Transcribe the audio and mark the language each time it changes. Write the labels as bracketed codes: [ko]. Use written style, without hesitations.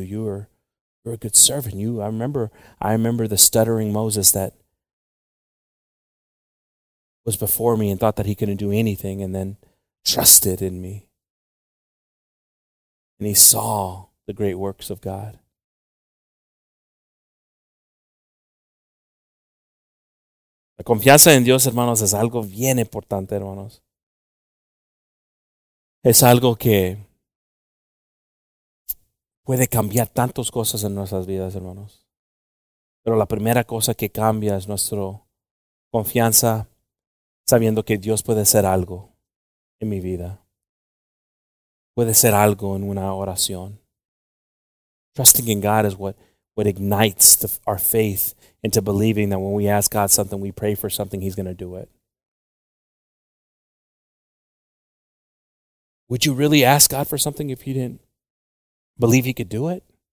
[en] You were a good servant. I remember the stuttering Moses that was before me and thought that he couldn't do anything and then trusted in me. And he saw the great works of God. [es] La confianza en Dios, hermanos, es algo bien importante, hermanos. Es algo que puede cambiar tantas cosas en nuestras vidas, hermanos. Pero la primera cosa que cambia es nuestra confianza, sabiendo que Dios puede hacer algo en mi vida. Puede ser algo en una oración. [en] Trusting in God is what ignites our faith into believing that when we ask God something, we pray for something, he's going to do it. Would you really ask God for something if you didn't believe he could do it?